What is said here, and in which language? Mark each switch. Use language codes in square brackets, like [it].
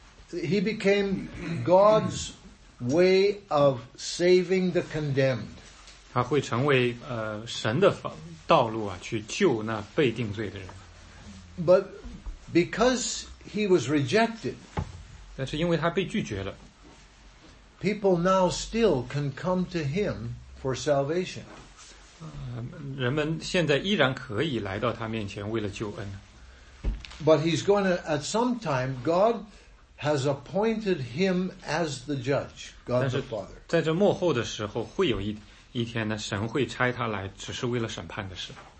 [en] He became God's way of saving the condemned. [zh] 他会成为神的道路啊，去救那被定罪的人。 [en] But because he was rejected, [zh] 但是因为他被拒绝了， [en] people now still can come to him for salvation. [zh] 人们现在依然可以来到他面前为了救恩。 [en] But he's going to, at some time, God has appointed him as the judge, God the Father. [zh] 在这幕后的时候会有一天呢，神会差他来只是为了审判的事。